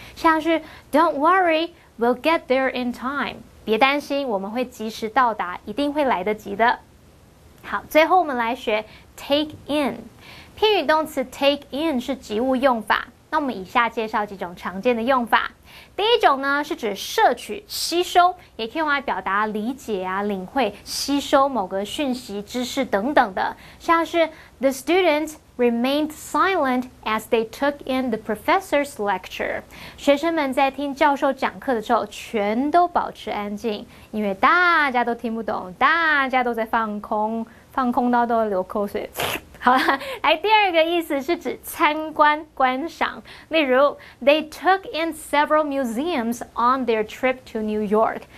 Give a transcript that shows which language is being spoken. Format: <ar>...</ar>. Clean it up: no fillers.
<zh>像是</zh> <en>Don't worry, we'll get there in time.</en> <zh>别担心，我们会及时到达，一定会来得及的。好，最后我们来学 take in。片语动词 take in 是及物用法。那我们以下介绍几种常见的用法。第一种呢，是指摄取、吸收，也可以用来表达理解啊、领会、吸收某个讯息、知识等等的。像是</zh> <en>The student remained silent as they took in the professor's lecture.</en> <zh>学生们在听教授讲课的时候，全都保持安静，因为大家都听不懂，大家都在放空，放空到都流口水。好了，来第二个意思是指参观观赏，例如</zh> <en>They took in several museums on their trip to New York.</en>